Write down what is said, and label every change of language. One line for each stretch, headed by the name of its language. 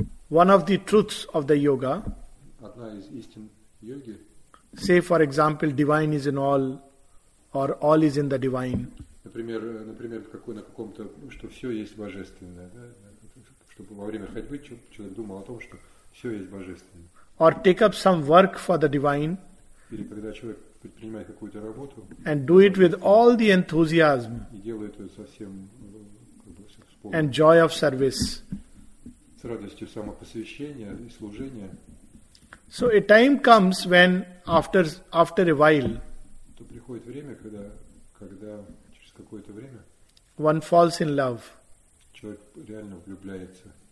English: One of the truths of the yoga.
Russian: Одна из истин йоги.
English: Say, for example, divine is in all, or all is in the divine.
Russian: Например, какой на каком-то, что все есть божественное, да? Чтобы во время ходьбы человек думал о том, что все есть божественное.
English: Or take up some work for the divine.
Russian: Или когда человек предпринимает какую-то работу.
English: And do it with all the enthusiasm.
Russian: И делает это со всем.
English: And joy of service.
Russian: С радостью самопосвящения и служения.
English: So a time comes when after a while.
Russian: То приходит время, когда через какое-то время.
English: One falls in love.
Russian: Человек реально влюбляется.